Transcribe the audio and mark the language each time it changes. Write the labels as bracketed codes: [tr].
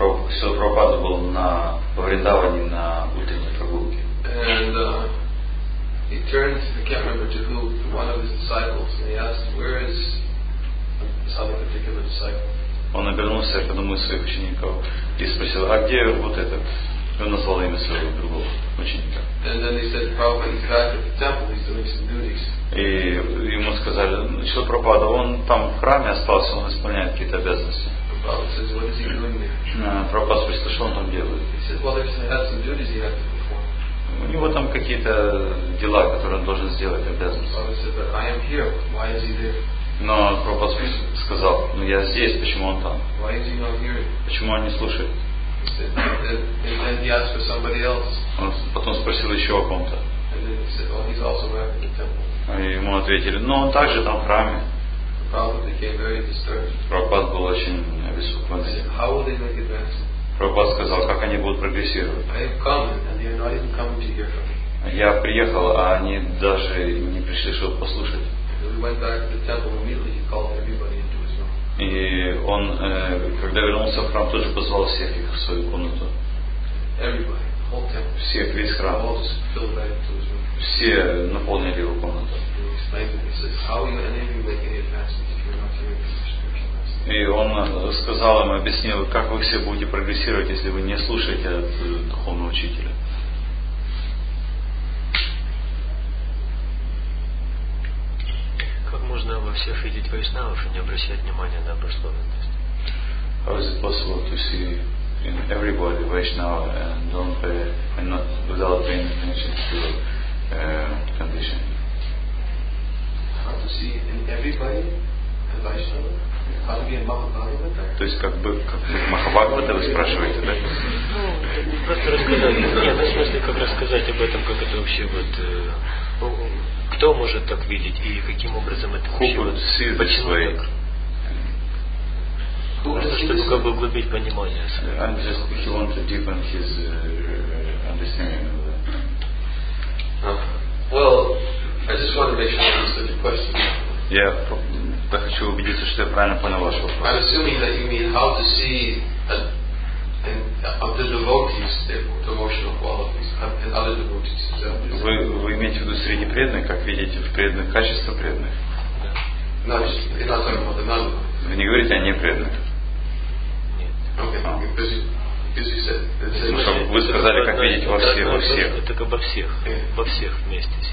[ru] Сила Прабхупада был на Вриндаване на утренней прогулке. [en] And he turned, I can't remember to who, to one of his disciples, and he asked, where is some particular disciple? [ru] Он обернулся к одному из своих учеников и спросил, а где вот этот? И он назвал имя своего другого ученика. [en] And then he said, Prabhupada, he's back at the temple, he's doing some duties. [ru] И ему сказали, Сила Прабхупада, он там в храме остался, он исполняет какие-то обязанности. [en] Prabhupada says, what is he doing there? [ru] Prabhupada спросил, что он там делает? [en] He said, well, there's some duties he had to perform. [ru] У него там какие-то дела, которые он должен сделать, обязанности. [en] Prabhupada said, but I am here, why is he there? [ru] Но Прабхупада сказал, ну я здесь, почему он там? [en] Why is he not hearing? [ru] Почему он не слушает? [en] He said, and then he asked for somebody else. [ru] Он потом спросил еще о ком-то. [en] And then he said, well, he's also back in the temple. [ru] И ему ответили, ну он также там в храме. Prabhupada был очень обеспокоен. [en] How will they make advance? [ru] Прабхупада сказал, как они будут прогрессировать? [en] I have come and they are not even coming to hear from me. [ru] Я приехал, а они даже не пришли, чтобы послушать. [en] And we went back to the temple immediately. He called everybody into his room. [ru] И он, когда вернулся в храм, тут же позвал всех их в свою комнату. [en] Everybody, the whole temple. [ru] Всех, весь храм. [en] All just filled back into his room. [ru] Все наполнили его комнату. И он сказал им, объяснил, как вы все будете прогрессировать, если вы не слушаете от духовного учителя. Как можно обо всех видеть вайшнавов и не обращать внимания на обусловленность? [en] How is it possible to see in everybody Vaishnava and don't pay and not without paying attention to condition? To see in everybody a Vaishnava? How to be a Mahabhagavata? [ru] То есть как бы Mahabhagavata вы спрашиваете, да? Ну, просто рассказать. Нет, в смысле, как рассказать об этом, как это вообще вот Кто может так видеть и каким образом это получилось? Почему так? Чтобы как бы углубить понимание. [en] He wants to deepen his understanding of that. Well, I just want to make sure I understood the question. [ru] Я хочу убедиться, что я правильно понял ваш вопрос. [en] I'm assuming that you mean how to see of the devotees, the devotional qualities, and other devotees. [ru] Вы имеете в виду среди преданных, как видите в преданных качества преданных? No, it's not talking about the non. Вы не говорите о непреданных. Вы сказали, как видите во всех, Так обо всех, во всех вместе.